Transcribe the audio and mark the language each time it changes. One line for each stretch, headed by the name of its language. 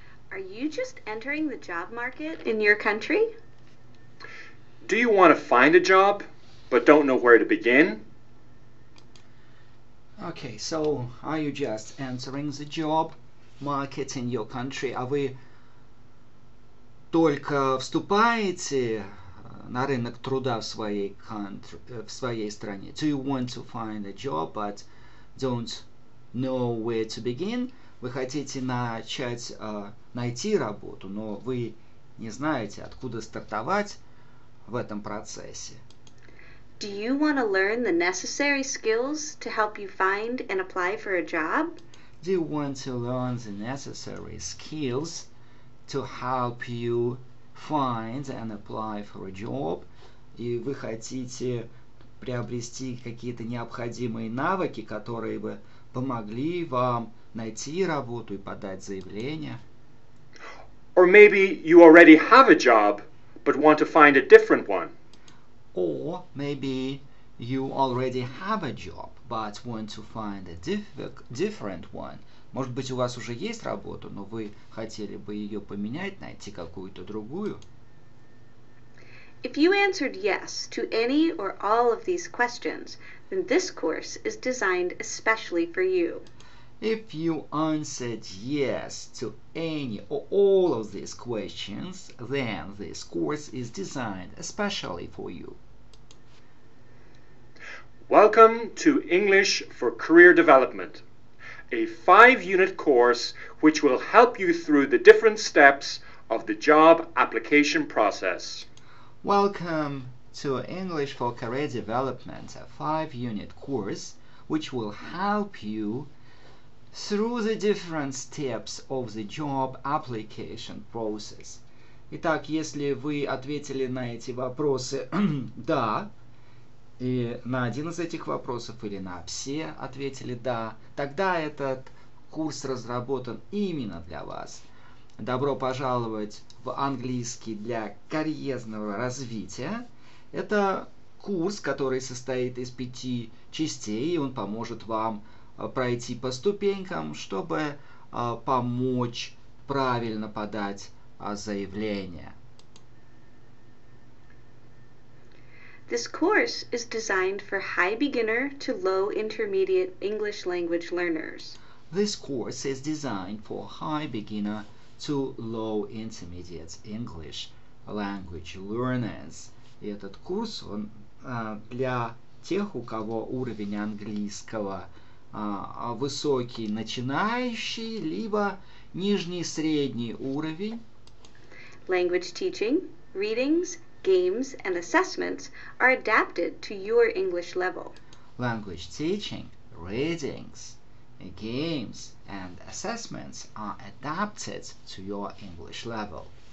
English: Are you just entering the job market in your country? Do you want to find a job, but don't know where to begin? Okay, so are you just entering the job market in your country?
Russian: А вы только вступаете на рынок труда в своей
English: country,
Russian: в своей стране?
English: Do you want to find a job, but don't know where to begin?
Russian: Вы хотите начать найти работу, но вы не знаете, откуда стартовать в этом процессе.
English: Do you want to learn the necessary skills to help you find and apply for a job? Do you want to learn the necessary skills to help you find and apply for a job?
Russian: И вы хотите приобрести какие-то необходимые навыки, которые бы помогли вам найти работу и подать заявление?
English: Or maybe you already have a job, but want to find a different one. Or maybe you already have a job, but want to find a different one.
Russian: Может быть, у вас уже есть работа, но вы хотели бы ее поменять, найти какую-то другую.
English: If you answered yes to any or all of these questions, then this course is designed especially for you. If you answered yes to any or all of these questions, then this course is designed especially for you. Welcome to English for Career Development, a 5-unit course which will help you through the different steps of the job application process. Welcome to English for Career Development, a 5-unit course which will help you through the different steps of the job application process.
Russian: Итак, если вы ответили на эти вопросы «да», и на один из этих вопросов или на все ответили «да», тогда этот курс разработан именно для вас. Добро пожаловать в английский для карьерного развития. Это курс, который состоит из 5 частей, и он поможет вам пройти по ступенькам, чтобы помочь правильно подать заявление.
English: This course is designed for high beginner to low intermediate English language learners. This course is designed for high beginner to low intermediate English language learners.
Russian: И этот курс, он для тех, у кого уровень английского высокий начинающий, либо нижний средний уровень.
English: Language teaching, readings, games, and assessments are adapted to your English level. Language teaching, readings, games, and assessments are adapted to your English level.